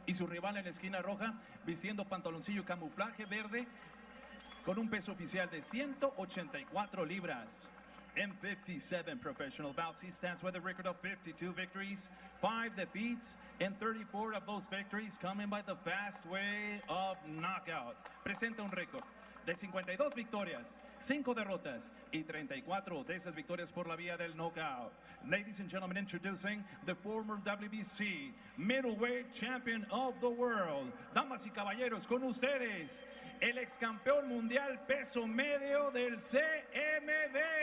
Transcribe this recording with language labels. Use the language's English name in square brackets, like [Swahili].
[Spanish] Y su rival en la esquina roja, vistiendo pantaloncillo camuflaje verde, con un peso oficial de 184 libras. [English] In 57 professional bouts, he stands with a record of 52 victories, 5 defeats, and 34 of those victories coming by the fast way of knockout. [Spanish] Presenta un récord de 52 victorias, 5 derrotas, y 34 de esas victorias por la vía del knockout. [English] Ladies and gentlemen, introducing the former WBC middleweight champion of the world. [Spanish] Damas y caballeros, con ustedes, el ex campeón mundial peso medio del CMB.